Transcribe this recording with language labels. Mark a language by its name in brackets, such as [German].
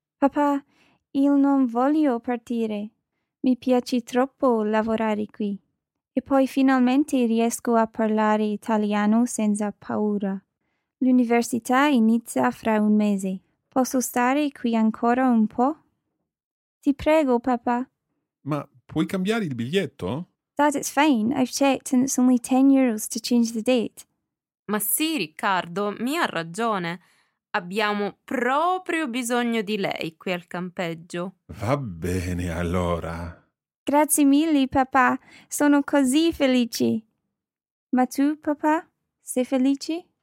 [Italian] Papà, io non voglio partire. Mi piace troppo lavorare qui. E poi finalmente riesco a parlare italiano senza paura. L'università inizia fra un mese. Posso stare qui ancora un po'? Ti prego, papà. Ma puoi cambiare il biglietto? [English] Dad, it's fine. I've checked and it's only 10 euros to change the date. [Italian] Ma sì, Riccardo, Mia ha ragione. Abbiamo proprio bisogno di lei qui al campeggio. Va bene, allora. Grazie mille, papà. Sono così felice. Ma tu, papà, sei felice?